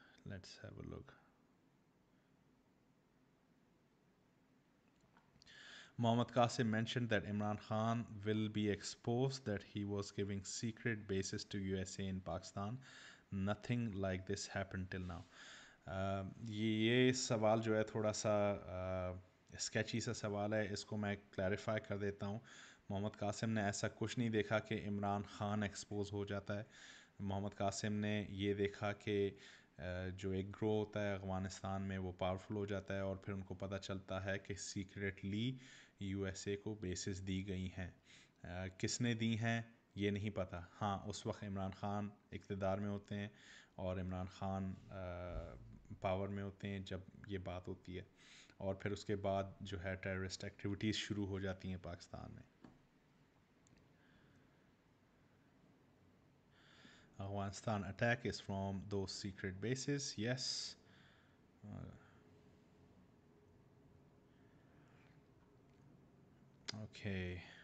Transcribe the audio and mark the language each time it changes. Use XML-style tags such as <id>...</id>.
<en>Let's have a look. Muhammad Qasim mentioned that Imran Khan will be exposed, that he was giving secret bases to USA and Pakistan. Nothing like this happened till now.</en> <hi>ये सवाल जो है थोड़ा सा sketchy सा सवाल है, इसको मैं क्लैरिफाई कर देता हूँ. मोहम्मद कासिम ने ऐसा कुछ नहीं देखा कि इमरान ख़ान एक्सपोज हो जाता है. मोहम्मद कासिम ने ये देखा कि जो एक ग्रो होता है अफगानिस्तान में, वो पावरफुल हो जाता है और फिर उनको पता चलता है कि सीक्रेटली यूएसए को बेसिस दी गई हैं. किसने दी हैं ये नहीं पता. हाँ, उस वक्त इमरान ख़ान इक्तदार में होते हैं और इमरान ख़ान पावर में होते हैं जब ये बात होती है, और फिर उसके बाद जो है टेररिस्ट एक्टिविटीज़ शुरू हो जाती हैं पाकिस्तान में.</hi> <en>Afghanistan attack is from those secret bases. Yes. Okay.</en>